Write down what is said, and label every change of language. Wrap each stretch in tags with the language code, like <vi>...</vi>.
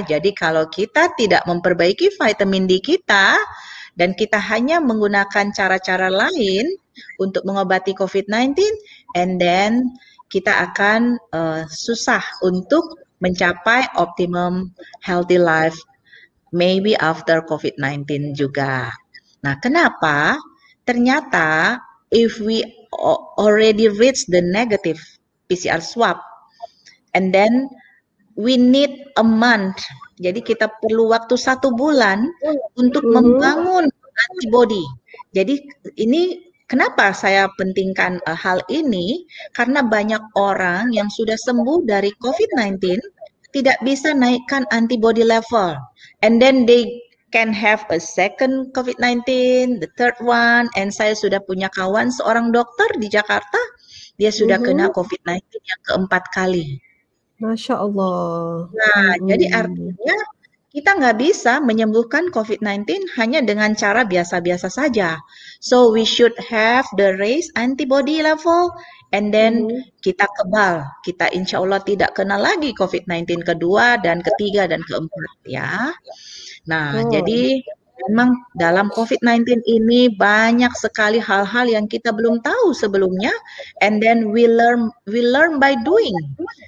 <id>Jadi kalau kita tidak memperbaiki vitamin D kita dan kita hanya menggunakan cara-cara lain untuk mengobati COVID-19, and then kita akan susah untuk mencapai</id> <en>optimum healthy life maybe after</en> <id>COVID-19 juga. Nah, kenapa?</id> <en>Ternyata if we already reach the negative PCR swab and then we need a month.</en> <id>Jadi kita perlu waktu 1 bulan untuk membangun antibody. Jadi ini kenapa saya pentingkan hal ini? Karena banyak orang yang sudah sembuh dari COVID-19 tidak bisa naikkan antibody level.</id> <en>And then they can have a second COVID-19, the third one.</en> <id>And saya sudah punya kawan seorang dokter di Jakarta. Dia sudah kena COVID-19 yang keempat kali. Masya Allah. Nah, jadi artinya kita nggak bisa menyembuhkan COVID-19 hanya dengan cara biasa-biasa saja.</id> <en>So we should have the raised antibody level and then</en> <id>kita kebal. Kita insya Allah tidak kena lagi COVID-19 kedua dan ketiga dan keempat ya. Nah, jadi memang dalam COVID-19 ini banyak sekali hal-hal yang kita belum tahu sebelumnya.</id> <en>And then we learn by doing.</en>